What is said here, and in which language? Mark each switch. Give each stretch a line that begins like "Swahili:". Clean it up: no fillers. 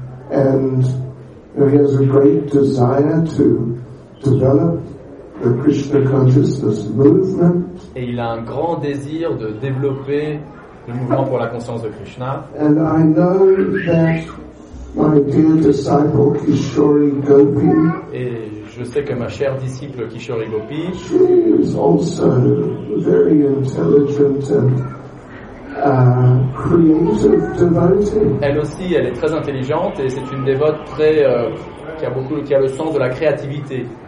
English: And he has a great desire to develop the Krishna consciousness movement.
French: Et il a un grand désir de développer le mouvement pour la conscience de Krishna.
English: And I know that my dear disciple Kishori Gopi,
French: et je sais que ma chère disciple Kishori Gopi,
English: she is also very intelligent and creative devotee.
French: Elle aussi, elle est très intelligente et c'est une dévote très qui a le sens de la créativité.